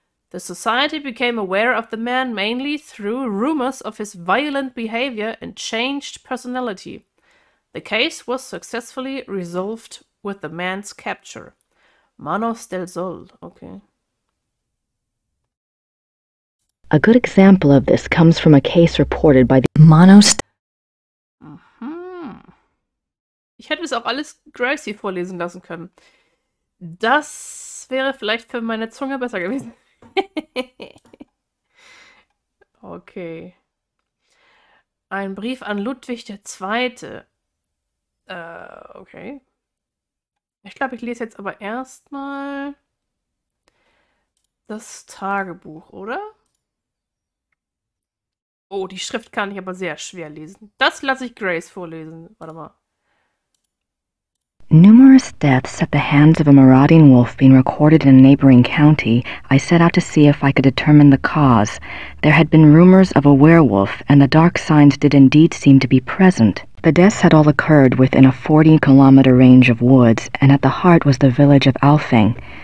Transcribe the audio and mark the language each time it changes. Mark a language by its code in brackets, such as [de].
[en] The society became aware of the man mainly through rumors of his violent behavior and changed personality. The case was successfully resolved with the man's capture. Manos del Sol. Okay. A good example of this comes from a case reported by the Manos. [de] Ich hätte es auch alles Gracie vorlesen lassen können. Das wäre vielleicht für meine Zunge besser gewesen. Okay. Ein Brief an Ludwig II. Okay. Ich glaube, ich lese jetzt aber erstmal das Tagebuch, oder? Oh, die Schrift kann ich aber sehr schwer lesen. Das lasse ich Grace vorlesen. Warte mal. [en] Numerous deaths at the hands of a marauding wolf being recorded in a neighboring county, I set out to see if I could determine the cause. There had been rumors of a werewolf, and the dark signs did indeed seem to be present. The deaths had all occurred within a 40-kilometer range of woods, and at the heart was the village of Alfing.